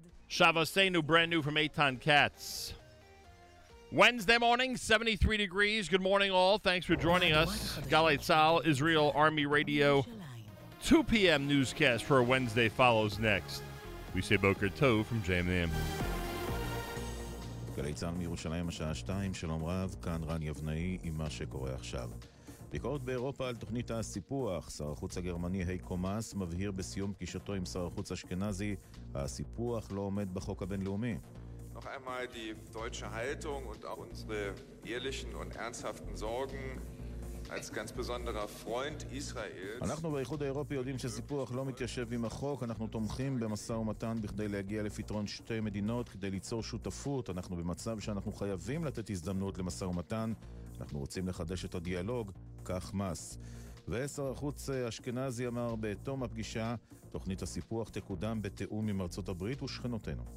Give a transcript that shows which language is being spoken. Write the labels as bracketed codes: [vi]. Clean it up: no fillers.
[en] Shavasenu, brand new from Eitan Katz. Wednesday morning, 73 degrees. Good morning, all. Thanks for joining us. Galei Tzal, Israel Army Radio. 2 p.m. newscast for a Wednesday follows next. We say [he] Boker Tov [en] from JMM. [he] גלי צהל מירושלים, השעה 2, שלום רב, כאן רן יבנאי עם מה שקורה עכשיו. ביקורת באירופה על תוכנית הסיפוח, שר החוץ הגרמני הייקו מאס מבהיר בסיום פגישתו עם שר החוץ אשכנזי, הסיפוח לא עומד בחוק הבינלאומי. [de] Noch einmal die deutsche Haltung und auch unsere ehrlichen und ernsthaften Sorgen als ganz besonderer Freund Israels. [he] אנחנו באיחוד האירופי יודעים שסיפוח לא מתיישב עם החוק, אנחנו תומכים במסע ומתן בכדי להגיע לפתרון שתי מדינות, כדי ליצור שותפות, אנחנו במצב שאנחנו חייבים לתת הזדמנות למסע ומתן, אנחנו רוצים לחדש את הדיאלוג, כך מס. ושר החוץ אשכנזי אמר בתום הפגישה, תוכנית הסיפוח תקודם בתיאום עם ארצות הברית ושכנותינו.